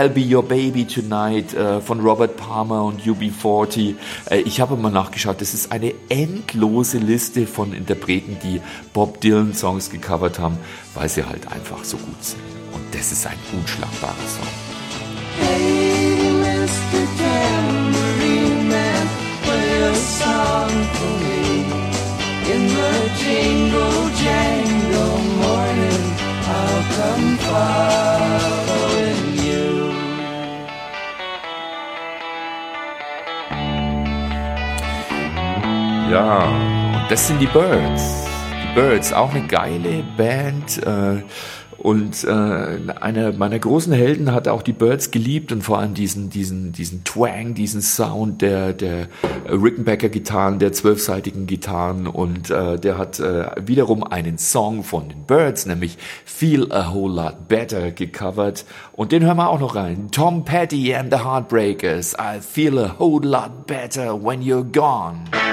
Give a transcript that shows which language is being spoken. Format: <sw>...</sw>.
<de>I'll Be Your Baby Tonight von Robert Palmer und UB40. Ich habe mal nachgeschaut, das ist eine endlose Liste von Interpreten, die Bob Dylan Songs gecovert haben, weil sie halt einfach so gut sind. Und das ist ein unschlagbarer Song.</de> <en>Hey, Mr. Tambourine Man, play a song for me. In the jingle jangle morning, I'll come following you.</en> <de>Ja, das sind die Birds. Die Birds, auch eine geile Band. Und einer meiner großen Helden hat auch die Birds geliebt und vor allem diesen Twang, diesen Sound der Rickenbacker-Gitarren, der 12-seitigen Gitarren. Und der hat wiederum einen Song von den Birds, nämlich Feel a Whole Lot Better, gecovert. Und den hören wir auch noch rein.</de> <en>Tom Petty and the Heartbreakers. I feel a whole lot better when you're gone.</en>